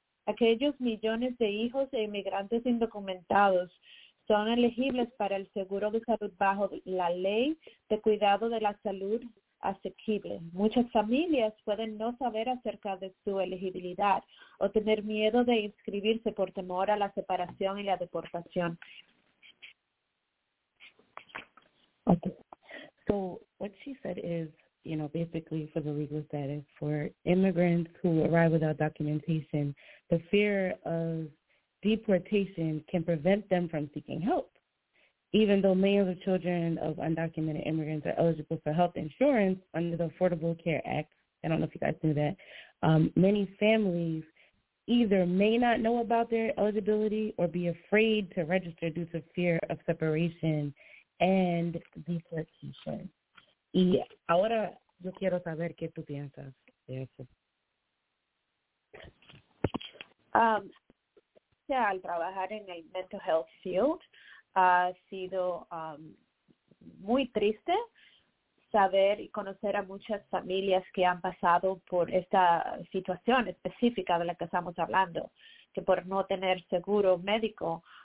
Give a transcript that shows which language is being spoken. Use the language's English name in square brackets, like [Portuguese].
[Spanish] Aquellos millones de hijos de inmigrantes indocumentados son elegibles para el seguro de salud bajo la Ley de Cuidado de la Salud Asequible. Muchas familias pueden no saber acerca de su elegibilidad o tener miedo de inscribirse por temor a la separación y la deportación. [English] Okay. So what she said is, you know, basically for the legal status for immigrants who arrive without documentation, the fear of deportation can prevent them from seeking help. Even though millions of children of undocumented immigrants are eligible for health insurance under the Affordable Care Act, I don't know if you guys knew that, many families either may not know about their eligibility or be afraid to register due to fear of separation and deportation. [Spanish] Y ahora yo quiero saber qué tú piensas de eso. Sea al trabajar en el [English] mental health field, [Spanish] ha sido muy triste saber y conocer a muchas familias que han pasado por esta situación específica de la que estamos hablando, que por no tener seguro médico